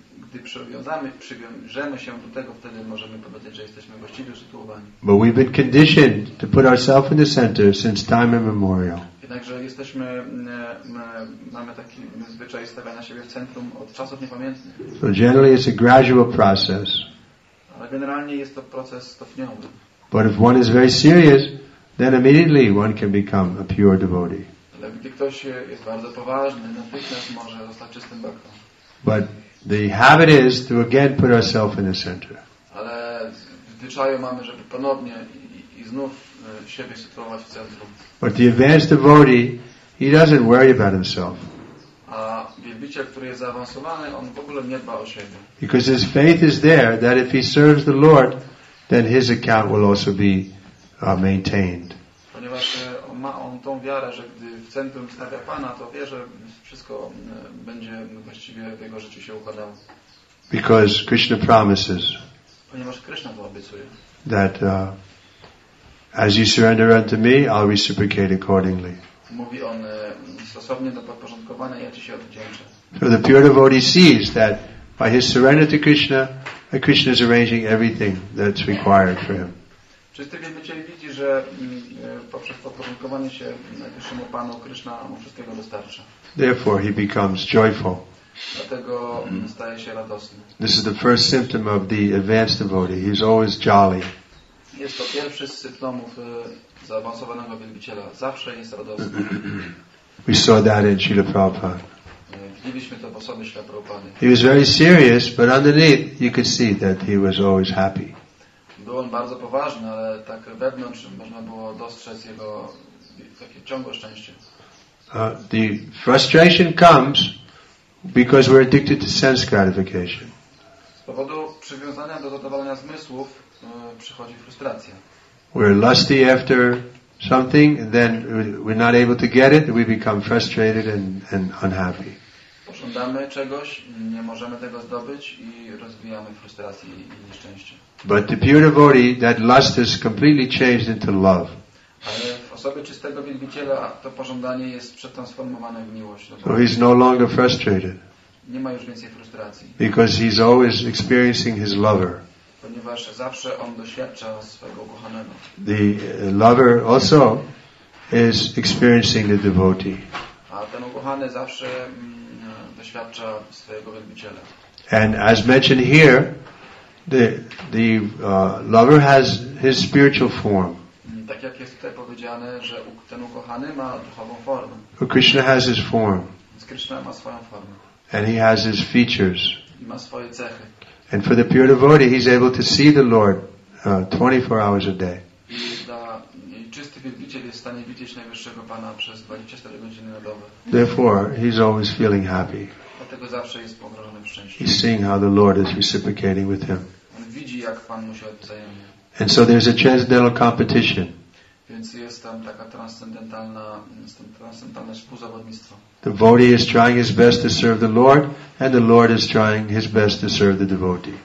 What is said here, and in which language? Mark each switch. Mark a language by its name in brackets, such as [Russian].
[Polish] Gdy przywiążemy się do tego, wtedy możemy powiedzieć, że jesteśmy właściwie usytuowani. [English] But we've been conditioned to put ourselves in the center since time immemorial. [Polish] Jednakże jesteśmy, mamy taki zwyczaj stawiania siebie w centrum od czasów niepamiętnych. [English] So generally it's a gradual process. [Polish] Ale generalnie jest to proces stopniowy. [English] But if one is very serious, then immediately one can become a pure devotee. [Polish] Ale gdy ktoś jest bardzo poważny, natychmiast może zostać czystym bhaktą. [English] But the habit is to again put ourselves in the center. [Polish] Ale w zwyczaju mamy, żeby ponownie i znów siebie sytuować w centrum. [English] But the advanced devotee, he doesn't worry about himself. [Polish] A wielbiciel, który jest zaawansowany, on w ogóle nie dba o siebie. [English] Because his faith is there that if he serves the Lord, then his account will also be maintained. [Polish] Ponieważ ma on tą wiarę, że gdy w centrum stawia Pana, to wie, że wszystko będzie właściwie w jego życiu się układało. [English] Because Krishna promises. [Polish] Ponieważ Krishna to obiecuje. [English] That as you surrender unto me, I'll reciprocate accordingly. [Polish] Mówi on, stosownie do podporządkowania, ja ci się oddzięczę. [English] So the pure devotee sees that by his surrender to Krishna, that Krishna is arranging everything that's required for him. [Polish] Czysty wielbiciel widzi, że poprzez podporządkowanie się najwyższemu Panu, Krishna mu wszystkiego dostarcza. [English] Therefore he becomes joyful. [Polish] Dlatego staje się radosny. [English] This is the first symptom of the advanced devotee. He's always jolly. [Polish] Jest to pierwszy z symptomów zaawansowanego wielbiciela. Zawsze jest radosny. [English] We saw that in Śrīla Prabhupāda. [Polish] Widzieliśmy to w osobie Śrīla Prabhupāda. [English] He was very serious, but underneath you could see that he was always happy. [Polish] Był on bardzo poważny, ale tak wewnątrz można było dostrzec jego takie ciągłe szczęście. [English] The frustration comes because we're addicted to sense gratification. [Polish] Z powodu przywiązania do zadowolenia zmysłów przychodzi frustracja. [English] We're lusty after something, then we're not able to get it, we become frustrated and unhappy. [Polish] Pożądamy czegoś, nie możemy tego zdobyć i rozwijamy frustrację i nieszczęście. [English] But the pure devotee, that lust is completely changed into love. [Polish] Ale w osobie czystego wielbiciela to pożądanie jest przetransformowane w miłość. [English] So he's no longer frustrated. [Polish] Nie ma już więcej frustracji. [English] Because he's always experiencing his lover. [Polish] ponieważ zawsze on doświadcza swego ukochanego. [English] The lover also is experiencing the devotee. [Polish] A ten ukochany zawsze doświadcza swojego wielbiciela. [English] And as mentioned here, the lover has his spiritual form. [Polish] Tak jak jest tutaj powiedziane, że ten ukochany ma duchową formę. [English] Krishna has his form. [Polish] Krishna ma swoją formę. [English] And he has his features. [Polish] I ma swoje cechy. [English] And for the pure devotee, he's able to see the Lord 24 hours a day. [Polish] I czysty wielbiciel jest w stanie widzieć najwyższego Pana przez 24 godziny na dobę. [English] Therefore, he's always feeling happy. [Polish] Dlatego zawsze jest pogrążony w szczęściu. [English] He's seeing how the Lord is reciprocating with him. [Polish] On widzi, jak Pan mu się odwzajemnia. [English] And so there's a transcendental competition. [Polish] Więc jest tam taka transcendentalne współzawodnictwo. [English] The devotee is trying his best to serve the Lord, and the Lord is trying his best to serve the devotee.